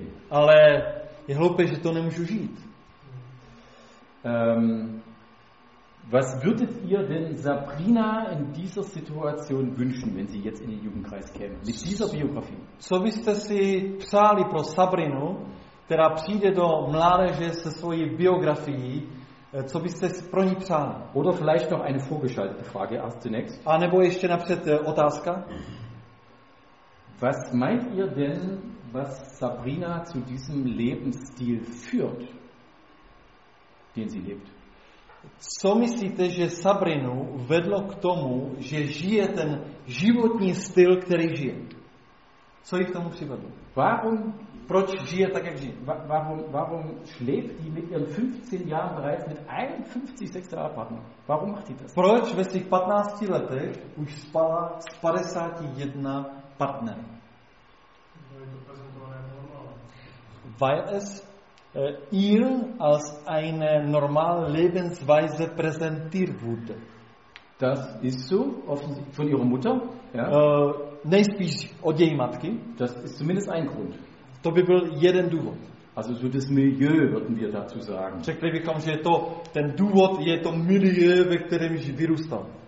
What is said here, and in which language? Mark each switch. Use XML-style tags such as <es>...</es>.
<cs>Ale je hloupé, že to nemůžu žít.</cs> <de>Was würdet ihr denn Sabrina in dieser Situation wünschen, wenn sie jetzt in den Jugendkreis käme? Mit dieser Biografie?</de> <cs>Co byste si přáli pro Sabrinu, která přijde do mládeže se svojí biografií, co byste pro ní přál?</cs> <de>Oder vielleicht noch eine vorgeschaltete Frage erst zunächst.</de> <cs>A nebo ještě napřed otázka.</cs> <de>Was meint ihr denn, was Sabrina zu diesem Lebensstil führt, den sie lebt?</de> <cs>Co myslíte, že Sabrinu vedlo k tomu, že žije ten životní styl, který žije? Co jí k tomu přivedlo?</cs> <de>Warum?</de> <cs>Proč žije tak, jak žije?</cs> <de>Warum schläft die mit ihren 15 Jahren bereits mit 51 sexueller Partner? Warum macht die das?</de> <cs>Proč ve svých 15 letech už spala s 51 partnery? Je to prezentované normálně.</cs> <de>Weil es ihr als eine normale Lebensweise präsentiert wurde. Das ist so, offensichtlich von ihrer Mutter.</de> <cs>Ja. Nejspíš od její matky.</cs> <de>Das ist zumindest ein Grund.</de> <cs>To by byl jeden důvod.</cs> <de>Also so das Milieu, würden wir dazu sagen.</de> <cs>Řekli bychom, že to, ten důvod je to milieu, ve kterém jsi vyrůstal.</cs>